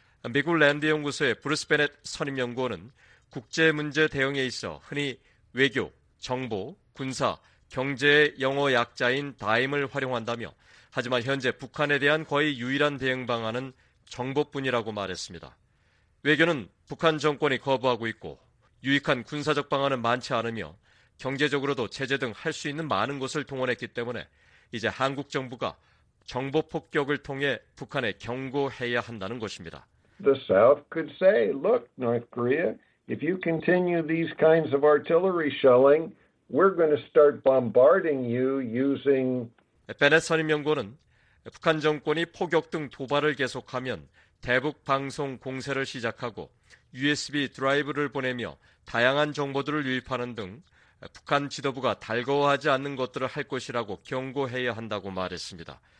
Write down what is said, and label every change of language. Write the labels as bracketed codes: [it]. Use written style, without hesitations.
[ko] 미국 랜드 연구소의 브루스 베넷 선임연구원은 국제 문제 대응에 있어 흔히 외교, 정보, 군사, 경제의 영어 약자인 다임을 활용한다며 하지만 현재 북한에 대한 거의 유일한 대응 방안은 정보뿐이라고 말했습니다. 외교는 북한 정권이 거부하고 있고 유익한 군사적 방안은 많지 않으며 경제적으로도 제재 등 할 수 있는 많은 것을 동원했기 때문에 이제 한국 정부가 정보 폭격을 통해 북한에 경고해야 한다는 것입니다. [en] The South could say, look, North Korea, if you continue these kinds of artillery shelling, we're going to start bombarding you using... [ko] 베넷 선임연구원은 북한 정권이 폭격 등 도발을 계속하면 대북 방송 공세를 시작하고 USB 드라이브를 보내며 다양한 정보들을 유입하는 등 북한 지도부가 달가워하지 않는 것들을 할 것이라고 경고해야 한다고 말했습니다.